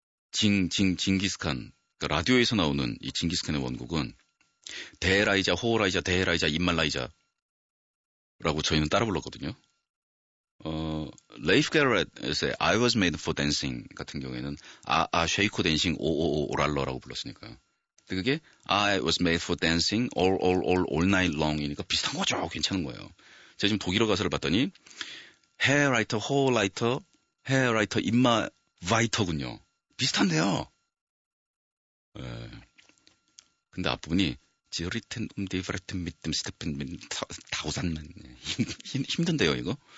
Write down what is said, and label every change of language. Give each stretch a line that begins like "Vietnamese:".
Korean: 징기스칸 그러니까 라디오에서 나오는 이 징기스칸의 원곡은 대라이자 호라이자 대라이자 임말라이자라고 저희는 따라 불렀거든요. 레이프 게러렛의
English: I was made for dancing
Korean: 같은 경우에는 아아 쉐이코 댄싱 오오오 오랄러라고 불렀으니까요. 근데 그게
English: I was made for dancing all night long
Korean: 이니까 비슷한 거죠. 괜찮은 거예요. 제가 지금 독일어 가사를 봤더니 헤라이터 호라이터 헤라이터 임마 와이터군요. 비슷한데요. 예. 근데 앞부분이 지리텐 디프레튼 믿듬 스테픈 다우산맨 힘든데요 이거.